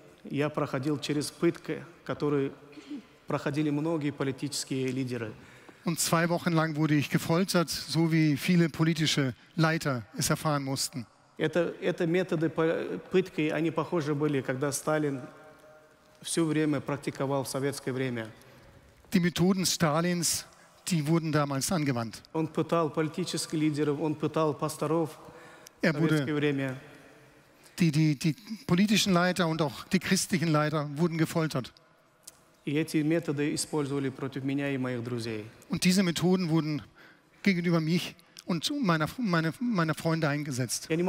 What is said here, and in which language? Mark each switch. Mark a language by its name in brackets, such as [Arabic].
[Russian] Я проходил через пытки, которые проходили многие политические лидеры. [German] Und zwei Wochen lang wurde ich gefoltert, so wie viele politische Leiter es erfahren mussten. [Russian] Это методы пытки, они похожи были, когда Сталин все время практиковал в советское время. [German] Die Methoden Stalins, die wurden damals angewandt. [Russian] Он пытал политических лидеров, он пытал пасторов в советское время. [German] Die politischen Leiter und auch die christlichen Leiter wurden gefoltert. Und diese Methoden wurden gegenüber mich und meiner Freunde eingesetzt.